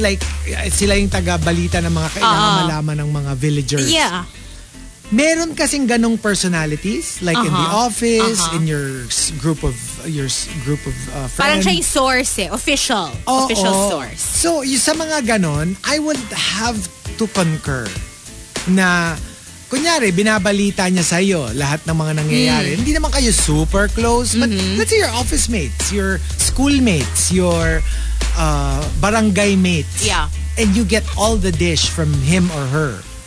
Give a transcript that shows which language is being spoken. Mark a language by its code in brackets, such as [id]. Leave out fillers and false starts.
[tl] Like, sila yung taga-balita ng mga kailangan malaman ng mga villagers. [en] Yeah. Meron kasing ganong personalities, like in the office, in your group of friends. [tl] Parang siya yung source eh. Official. Oh, official source. So, yung sa mga ganon, I would have to concur na, kunyari, binabalita niya sa'yo lahat ng mga nangyayari. [en] Hindi naman kayo super close, but let's say your office mates, your schoolmates, your barangay mates. Yeah. And you get all the dish from him or her.